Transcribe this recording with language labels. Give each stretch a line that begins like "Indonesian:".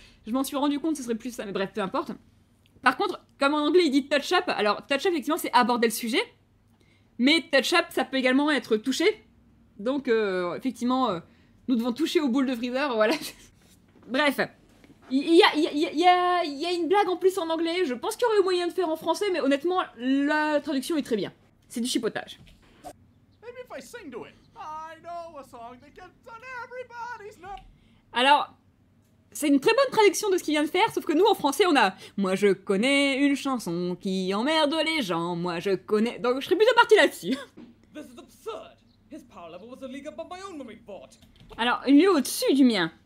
French: Je m'en suis rendu compte, ce serait plus ça, mais bref, peu importe. Par contre, comme en anglais il dit touch up, alors touch up effectivement c'est aborder le sujet, mais touch up ça peut également être touché. Donc effectivement, nous devons toucher aux boules de Frieza, voilà. Bref, il y a une blague en plus en anglais, je pense qu'il y aurait eu moyen de faire en français, mais honnêtement, la traduction est très bien. C'est du chipotage.
English: Maybe if I sing to it. I know a song that gets on everybody's nerve.
French: Alors, c'est une très bonne traduction de ce qu'il vient de faire, sauf que nous, en français, on a « Moi, je connais une chanson qui emmerde les gens, moi, je connais... » Donc, je serais plutôt partie là-dessus.
English: This is absurd. His power level was a league above my own when we fought.
French: Alors, une lieu au-dessus du mien.